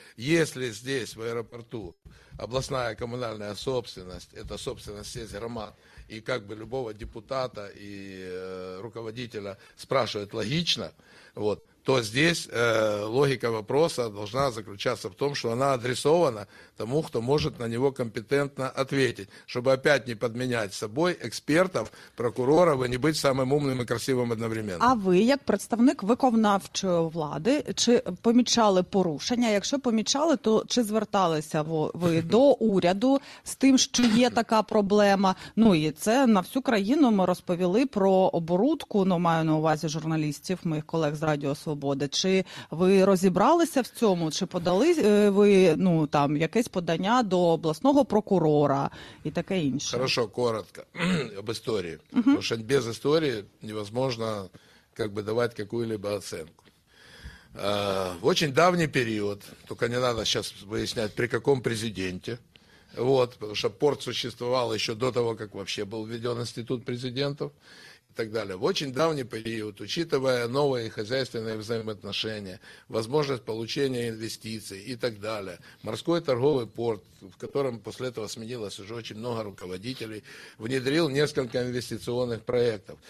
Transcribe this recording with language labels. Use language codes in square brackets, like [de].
[ru] Если здесь, в аэропорту, областная коммунальная собственность, это собственность сеть громад, и как бы любого депутата и руководителя спрашивают логично, вот, то здесь логика вопроса должна заключаться в том, что она адресована тому, кто может на него компетентно ответить, чтобы опять не подменять собой экспертов, прокуроров и не быть самым умным и красивым одновременно. [uk] А вы, як представник виконавчої влади, чи помічали порушення? Якщо помічали, то чи зверталися ви до уряду з тим, що є така проблема? Ну і це на всю країну ми розповіли про оборудку, ну, маю на увазі журналістів, моїх колег з Радіо Свободи. Чи ви розібралися в цьому? Чи подали ви, ну, там, якесь подання до обласного прокурора і таке інше? [ru] Хорошо, коротко [uk] об історії. [ru] Угу. [uk] Тому що без історії [ru] невозможно как бы давать какую-либо оценку. В очень давний період, [uk] тільки не треба зараз виясняти, при якому президенті, [ru] вот, потому что порт существовал еще до того, как вообще был введен институт президентов и так далее. В очень давний период, учитывая новые хозяйственные взаимоотношения, возможность получения инвестиций и так далее, морской торговый порт, в котором после этого сменилось уже очень много руководителей, внедрил несколько инвестиционных проектов.